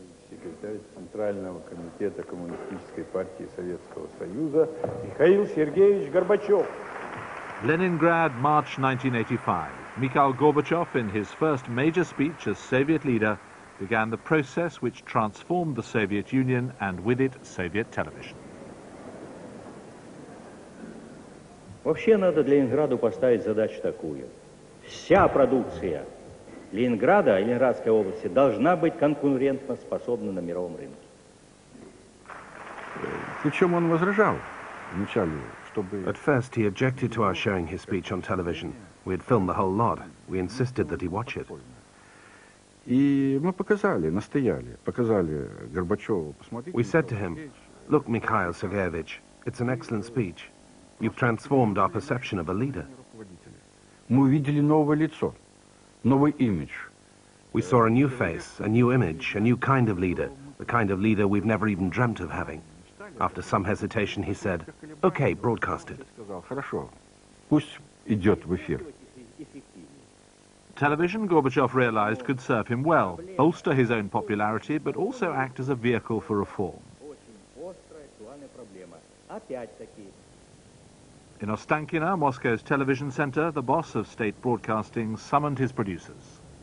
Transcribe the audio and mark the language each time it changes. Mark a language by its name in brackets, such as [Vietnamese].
[Russian] Секретарь Центрального комитета Коммунистической партии Советского Союза Михаил Сергеевич Горбачев. [English] Leningrad, March 1985. Mikhail Gorbachev, in his first major speech as Soviet leader, began the process which transformed the Soviet Union and with it Soviet television. [Russian] Вообще надо Ленинграду поставить задачу такую. Вся продукция Ленинграда и Ленинградской области должна быть конкурентоспособна на мировом рынке. Причем он возражал вначале, чтобы... [English] At first he objected to our showing his speech on television. We had filmed the whole lot. We insisted that he watch it. [Russian] И мы показали, настояли, показали Горбачеву. [English] We said to him, look, Mikhail Sergeyevich, it's an excellent speech. You've transformed our perception of a leader. [Russian] Мы увидели новое лицо, новый имидж. [English] We saw a new face, a new image, a new kind of leader, the kind of leader we've never even dreamt of having. After some hesitation, he said, okay, broadcast it. [Russian] Хорошо, пусть идет в эфир. [English] Television, Gorbachev realized, could serve him well, bolster his own popularity, but also act as a vehicle for reform. In Ostankino, Moscow's television center, the boss of state broadcasting summoned his producers.